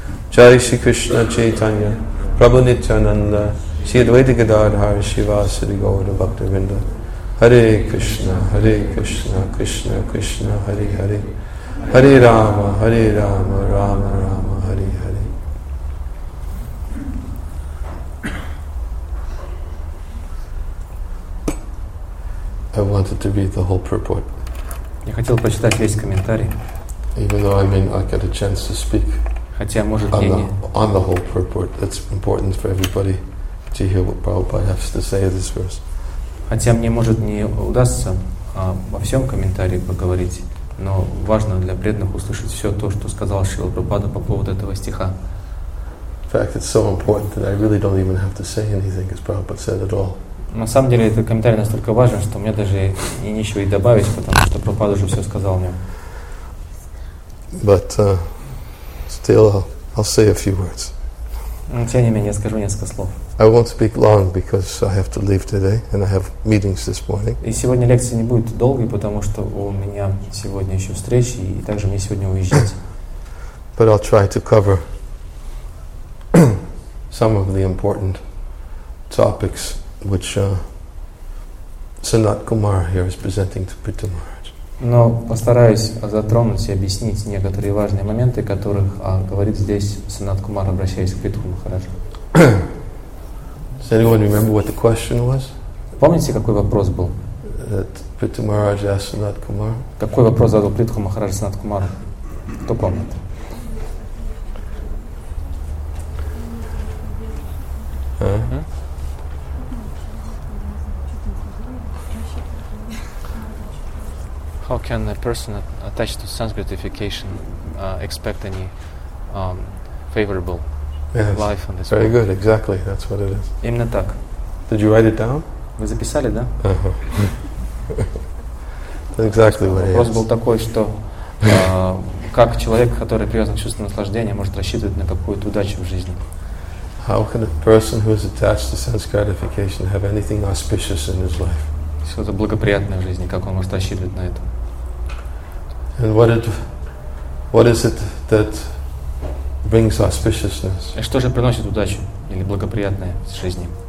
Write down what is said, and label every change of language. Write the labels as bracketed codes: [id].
[en] Jai Shri Krishna Chaitanya Prabhu Nityananda Shri Advaita Gadadhar Shivasari Gaura Bhaktivinoda Hare Krishna Krishna Krishna Hare Hare Hare Rama Rama Rama Hare Hare I wanted to read the whole purport. [ru] Я хотел прочитать весь комментарий. [en] Even though I mean I get a chance to speak. [ru] Хотя может [en] on the, whole purport, that's important for everybody to hear what Prabhupada has to say in this verse. [ru] Хотя мне может не удастся во всем комментарии поговорить, но важно для преданных услышать все то, что сказал Шрила Прабхупада по поводу этого стиха. [en] In fact, it's so important that I really don't even have to say anything, as Prabhupada said at all. [ru] На самом деле этот комментарий настолько важен, что мне даже и нечего и добавить, потому что Прабхупада уже все сказал мне. [en] But still, I'll say a few words. [ru] Но тем не менее, я скажу несколько слов. [en] I won't speak long because I have to leave today and I have meetings this morning. [ru] И сегодня лекция не будет долгой, потому что у меня сегодня еще встречи и также мне сегодня уезжать. [en] But I'll try to cover some of the important topics which Sanat Kumar here is presenting to Prithu Maharaj. [ru] Но постараюсь затронуть и объяснить некоторые важные моменты, которых говорит здесь Санат Кумар, обращаясь к Притху Махараджу. [en] Does anyone remember what the question was? [ru] Помните, какой вопрос был? [en] That Prithu Maharaj asked Sanat Kumar. [ru] Какой вопрос задал Притху Махараджу Санат Кумару? Кто помнит? [en] How can a person attached to sense gratification expect any favorable life on this world? Very good, exactly. That's what it is. [ru] Именно так. [en] Did you write it down? [ru] Вы записали, да? [en] That's exactly what it is. [ru] Вопрос был такой, что как человек, который привязан к чувству наслаждения, может рассчитывать на какую-то удачу в жизни? [en] How can a person who is attached to sense gratification have anything auspicious in his life? [ru] Что-то благоприятное в жизни, как он может рассчитывать на это? [en] And what is it that brings auspiciousness? [ru] И что же приносит удачу или благоприятное в жизни?